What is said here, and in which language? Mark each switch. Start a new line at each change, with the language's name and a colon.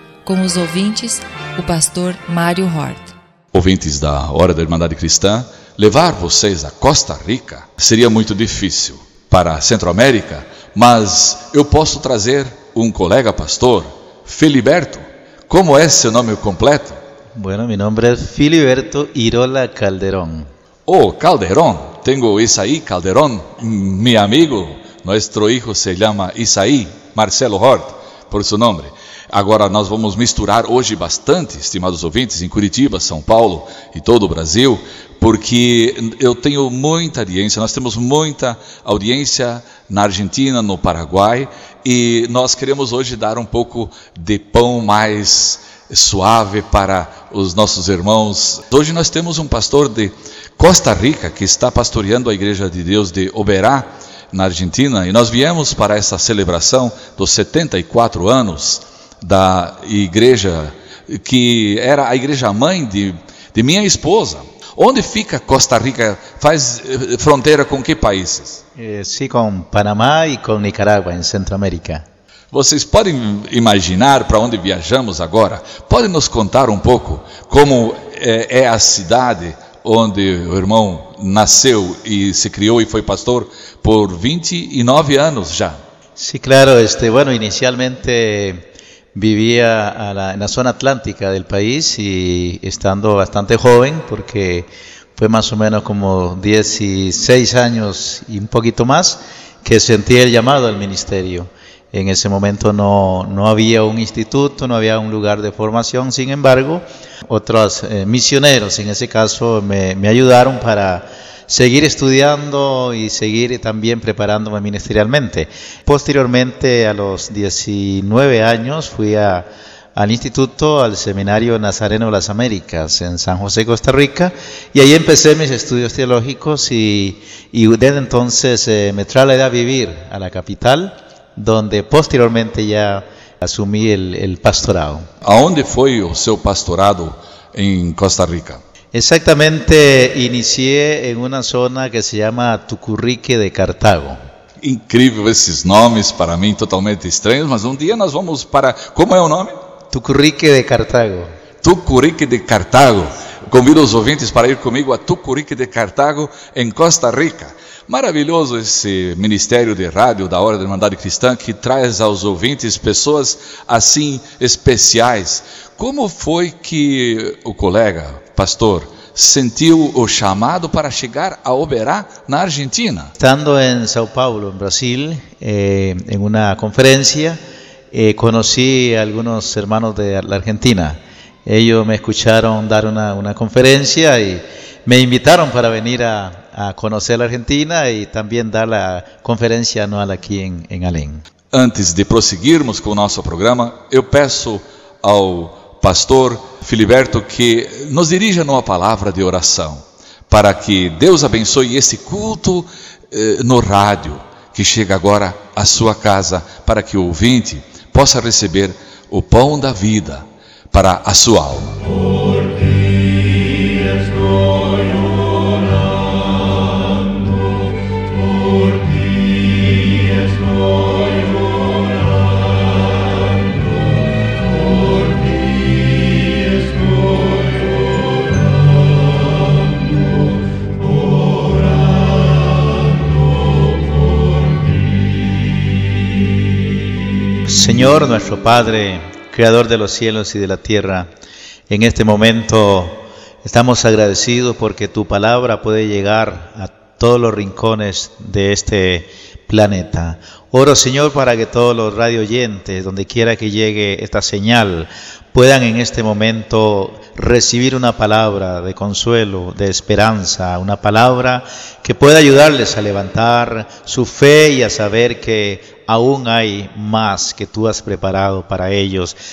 Portuguese: Com os ouvintes, o pastor Mário Hort. Ouvintes da Hora da Irmandade Cristã, levar vocês a Costa Rica seria muito difícil para a Centro-América, mas eu posso trazer um colega pastor, Filiberto. Como é seu nome completo?
Spanish: Bueno, mi nombre es Filiberto Irola Calderón. Oh, Calderón. Tengo Isaí Calderón, mi amigo. Nuestro hijo se llama Isaí Marcelo Hort, por su nombre.
Portuguese: Agora nós vamos misturar hoje bastante, estimados ouvintes, em Curitiba, São Paulo e todo o Brasil, porque eu tenho muita audiência, nós temos muita audiência na Argentina, no Paraguai, e nós queremos hoje dar um pouco de pão mais suave para os nossos irmãos. Hoje nós temos um pastor de Costa Rica que está pastoreando a Igreja de Deus de Oberá, na Argentina, e nós viemos para essa celebração dos 74 anos da igreja, que era a igreja-mãe de minha esposa. Onde fica Costa Rica? Faz fronteira com que países? Sim, com Panamá e com Nicarágua, em Centro-América. Vocês podem imaginar para onde viajamos agora? Podem nos contar um pouco como é a cidade onde o irmão nasceu e se criou e foi pastor por 29 anos já? Sim, claro.
Spanish: Inicialmente vivía en la zona atlántica del país y estando bastante joven, porque fue más o menos como 16 años y un poquito más, que sentí el llamado al ministerio. En ese momento no había un instituto, no había un lugar de formación, sin embargo, otros misioneros en ese caso me ayudaron para seguir estudiando y seguir también preparándome ministerialmente. Posteriormente, a los 19 años, fui al instituto, al Seminario Nazareno de las Américas, en San José, Costa Rica, y ahí empecé mis estudios teológicos y desde entonces me trasladé a vivir a la capital, donde posteriormente ya asumí el pastorado. ¿A dónde fue su pastorado en Costa Rica? Exactamente, inicié en una zona que se llama Tucurrique de Cartago.
Portuguese: Incrível esses nomes, para mí totalmente estranhos, mas un día nos vamos para...
Spanish: ¿Cómo es el nombre? Tucurrique de Cartago. Tucurrique de Cartago.
Portuguese: Convido os ouvintes para ir comigo a Tucurique de Cartago, em Costa Rica. Maravilhoso esse ministério de rádio da Hora da Irmandade Cristã, que traz aos ouvintes pessoas assim especiais. Como foi que o colega, pastor, sentiu o chamado para chegar a Oberá, na Argentina? Estando em São Paulo, em Brasil, em uma conferência, conheci alguns irmãos da Argentina.
Spanish: Ellos me escucharon dar una conferencia y me invitaron para venir a conocer la Argentina y también dar la conferencia anual aquí en Alén.
Portuguese: Antes de prosseguirmos con nuestro programa, yo peço al pastor Filiberto que
Spanish: nos dirija una palabra de oración para que Dios
Portuguese: abençoe este culto no rádio que chega agora a su casa, para que o ouvinte possa receber o pão da vida para a sua alma. Por ti estou orando, por ti estou orando, por ti estou orando, orando por ti. Senhor, nosso Padre,
Spanish: Creador de los cielos y de la tierra, en este momento estamos agradecidos porque tu palabra puede llegar a todos los rincones de este planeta. Oro, Señor, para que todos los radio oyentes, donde quiera que llegue esta señal, puedan en este momento recibir una palabra de consuelo, de esperanza, una palabra que pueda ayudarles a levantar su fe y a saber que aún hay más que tú has preparado para ellos.